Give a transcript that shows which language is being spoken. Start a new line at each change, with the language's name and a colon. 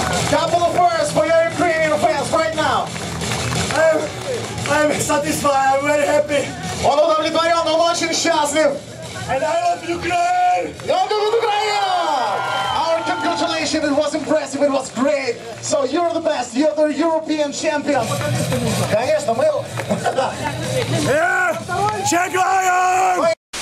English: Couple of words for your Ukrainian fans right now! I'm satisfied, I'm very happy!
Russian: Он удовлетворен, он очень счастлив!
English: And I love Ukraine!
Russian: Я люблю Украину!
English: Our congratulations, it was impressive, it was great! So you're the best, you're the European champion!
Russian: Конечно, мы...
English: Yeah! Czech Lions!